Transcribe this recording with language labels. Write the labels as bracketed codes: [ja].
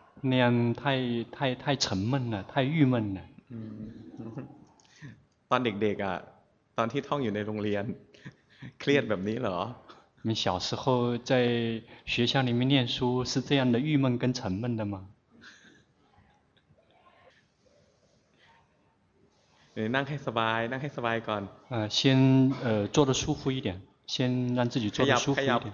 [zh] 那样太沉闷了太郁闷了 [th] ตอนเด็กๆอ่ะตอนที่ท่องอยู่ในโรงเรียนเครียดแบบนี้เหรอ [zh] 你小时候在学校里面念书是这样的郁闷跟沉闷的吗 [th] นั่งให้สบายนั่งให้สบายก่อน [zh] 先坐得舒服一点先让自己坐得舒服一点